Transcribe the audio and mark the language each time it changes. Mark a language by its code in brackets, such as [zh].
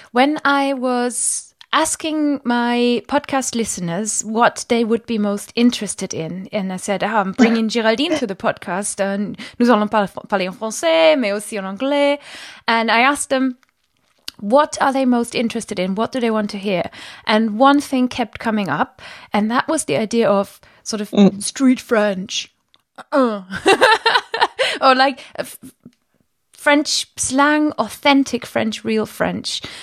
[en] When I was asking my podcast listeners what they would be most interested in, and I said, oh, I'm bringing Géraldine to the podcast. [fr] Nous allons parler en français, mais aussi en anglais. [en] And I asked them, what are they most interested in? What do they want to hear? And one thing kept coming up, and that was the idea of sort of street French. Or like French slang, authentic French, real French.